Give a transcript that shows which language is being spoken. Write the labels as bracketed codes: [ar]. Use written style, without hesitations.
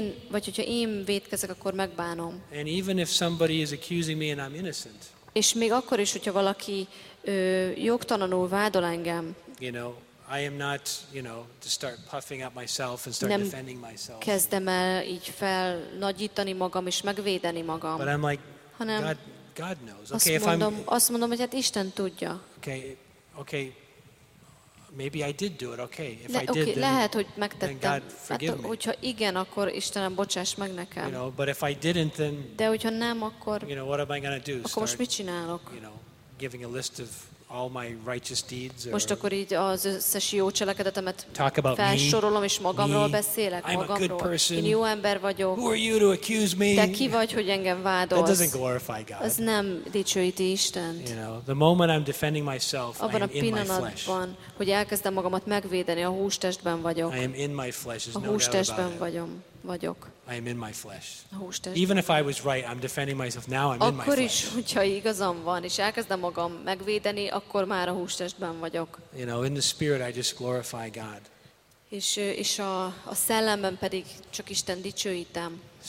[hu] Hogyha én vétkezek, akkor megbánom. [en] And even if somebody is accusing me and I'm innocent. [hu] És még akkor is, hogyha valaki jogtalanul vádol engem. [en] You know, I am not, you know, to start puffing up myself and start [hu] nem [en] defending myself. [hu] Kezdem el így fel nagyítani magam és megvédeni magam. [en] But I'm like, God knows. [hu] Okay, azt mondom, hogy hát Isten tudja. [en] Okay, maybe I did do it. Okay. If [hu] Le, [en] I did, okay, [hu] lehet, hogy megtettem. [en] Then God, forgive me. [hu] Hogyha igen, akkor Istenem, bocsáss meg nekem. [en] You know, but if I didn't, then. [hu] De hogyha nem, akkor. [en] You know, what am I going to do? [hu] Akkor most mit csinálok? [en] You know, giving a list of all my righteous deeds. [hu] Most akkor így az összes jó cselekedetemet felsorolom, és magamról beszélek, magamról. Jó ember vagyok. [en] Who are you to accuse me? [hu] De ki vagy, hogy engem vádolsz? [en] That doesn't glorify God. [hu] Ez nem dicsőíti Istent. [en] You know, the moment I'm defending myself, [hu] abban [en] I am in my flesh. [hu] Van, hogy elkezdem magamat megvédeni, a hústestben vagyok. [en] I am in my flesh, [hu] a hústestben vagyom. Vagyok. [en] I am in my flesh. [hu] Hústest. [en] Even if I was right, I'm defending myself now. I'm [hu] akkor [en] in my flesh. [hu] Akkor is, hogyha igazam van, és elkezdem magam megvédeni, akkor már a hústestben vagyok. [en] You know, in the spirit, I just glorify God. [hu] És a szellemben pedig csak Isten dicsőítem.